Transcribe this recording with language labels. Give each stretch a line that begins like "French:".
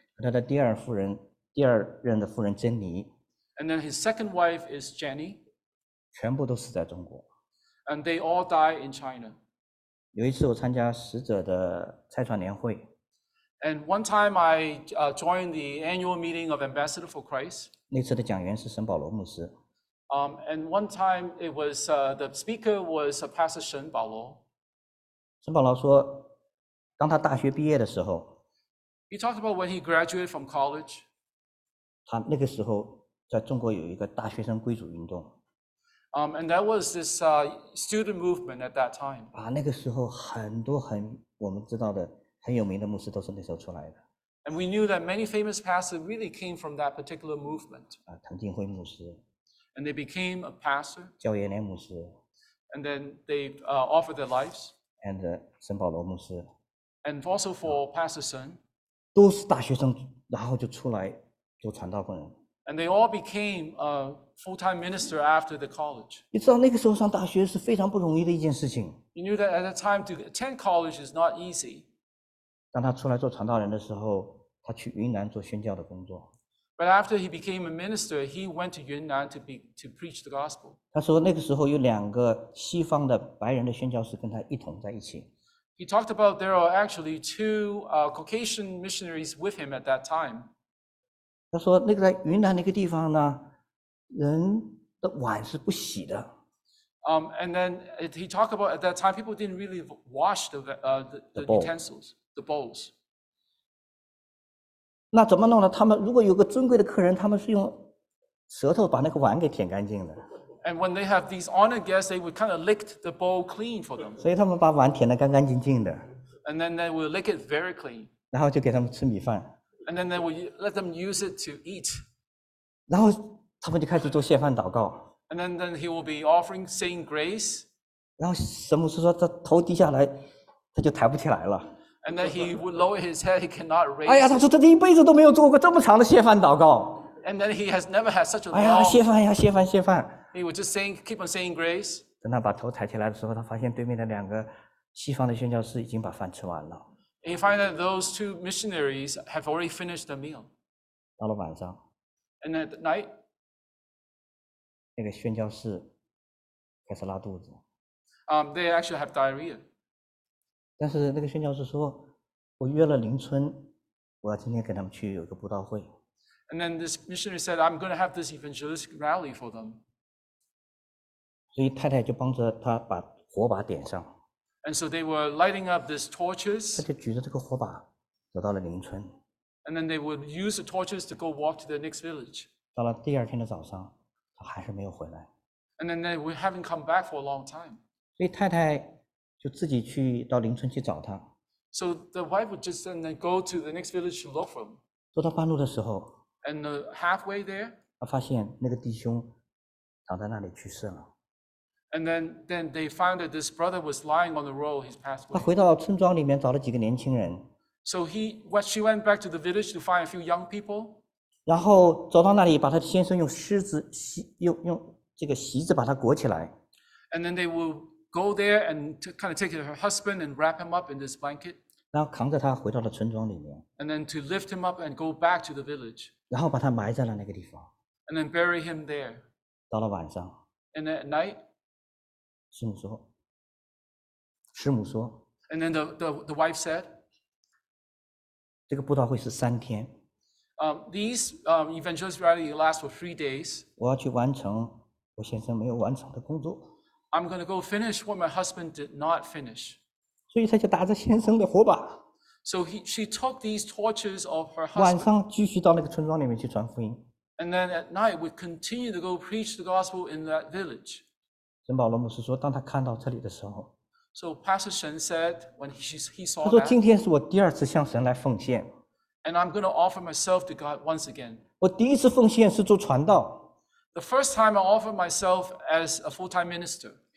Chinese: 他的第二夫人，第二任的夫人珍妮。
English: And then his second wife is Jenny.
Chinese: 全部都死在中国。
English: And they all die in China.
Chinese: 有一次我参加使者的拆船年会。
English: And one time I joined the annual meeting of Ambassador for Christ.
Chinese: 那次的讲员是沈保罗牧师。
English: And one time it was the speaker was Pastor 沈保罗。
Chinese: 沈保罗说，当他大学毕业的时候。
English: He talked about when he graduated from college.
Chinese: 他那个时候在中国有一个大学生归主运动。
English: And that was this student movement at that time.
Chinese: 啊，那个时候很多很我们知道的很有名的牧师都是那时候出来的。
English: And we knew that many famous pastors really came from that particular movement.
Chinese: 啊，滕进辉牧师。
English: And they became a pastor.
Chinese: 焦延年牧师。
English: And then they offered their lives.
Chinese: And 沈保罗牧师。
English: And also for Pastor Sun.
Chinese: 都是大学生，然后就出来做传道工人。
English: And they all became a full-time minister after the college.
Chinese: 你知道那个时候上大学是非常不容易的一件事情。
English: You knew that at that time to attend college is not easy.
Chinese: 当他出来做传道人的时候，他去云南做宣教的工作。
English: But after he became a minister, he went to Yunnan to preach the gospel.
Chinese: 他说那个时候有两个西方的白人的宣教士跟他一同在一起。
English: He talked about there are actually two Caucasian missionaries with him at that time.
Chinese: 他说那个在云南那个地方呢，人的碗是不洗的。
English: And then he talked about at that time people didn't really wash the utensils, the bowls.
Chinese: 那怎么弄呢？他们如果有个尊贵的客人，他们是用舌头把那个碗给舔干净的。
English: And when they have these honored guests, they would kind of lick the bowl clean for them.
Chinese: 所以他们把碗舔得干干净净的。
English: And then they would lick it very clean.
Chinese: 然后就给他们吃米饭。
English: And then they would let them use it to eat.
Chinese: 然后他们就开始做谢饭祷告。
English: And then he will be offering saying grace.
Chinese: 然后神牧师说他头低下来，他就抬不起来了。
English: And then he would lower his head, he cannot raise.
Chinese: 哎呀，他说他这一辈子都没有做过这么长的谢饭祷告。
English: And then he has never had such a long.
Chinese: 哎呀，谢饭呀，谢饭，谢饭。
English: He would just saying, keep on saying grace.
Chinese: 等他把头抬起来的时候，他发现对面的两个西方的宣教士已经把饭吃完了。
English: He finds that those two missionaries have already finished the meal.
Chinese: 到了晚上。
English: And at night.
Chinese: 那个宣教士开始拉肚子。
English: They actually have diarrhea.
Chinese: 但是那个宣教士说，我约了林春，我要今天跟他们去有个布道会。
English: And then this missionary said, I'm going to have this evangelistic rally for them.
Chinese: 所以太太就帮着他把火把点上。
English: And so they were lighting up these torches.
Chinese: 他就举着这个火把走到了林春。
English: And then they would use the torches to go walk to the next village.
Chinese: 到了第二天的早上，他还是没有回来。
English: And then they haven't come back for a long time.
Chinese: 所以太太就自己去到林村去找他。
English: So the wife would just then go to the next village to look for him.
Chinese: 走到半路的时候
English: ，and halfway there，
Chinese: 他发现那个弟兄躺在那里去世了。
English: And then they found that this brother was lying on the road, he's passed away.
Chinese: 他回到村庄里面找了几个年轻人。
English: So she went back to the village to find a few young people.
Chinese: 然后走到那里，把他先生用狮子用这个席子把他裹起来。
English: And then they will. Go there and to kind of take her husband and wrap him up in this blanket.
Chinese: 然后扛着他回到了村庄里面。
English: And then to lift him up and go back to the village.
Chinese: 然后把他埋在了那个地方。
English: And then bury him there.
Chinese: 到了晚上。
English: And at night.
Chinese: 师母说。
English: And then the wife said.
Chinese: 这个布道会是三天。
English: These evangelist rally lasts for 3 days.
Chinese: 我要去完成我先生没有完成的工作。
English: I'm going to go finish what my husband did not finish.
Chinese: 所以他就打着先生的火把。
English: So she took these torches of her husband.
Chinese: 晚上继续到那个村庄里面去传福音。
English: And then at night we continue to go preach the gospel in that village.
Chinese: 神保罗牧师说，当他看到这里的时候。
English: So Pastor Shen said when he saw that.
Chinese: 他说今天是我第二次向神来奉献。
English: And I'm going to offer myself to God once again.
Chinese: 我第一次奉献是做传道。
English: The first time I offered myself as a full-time minister.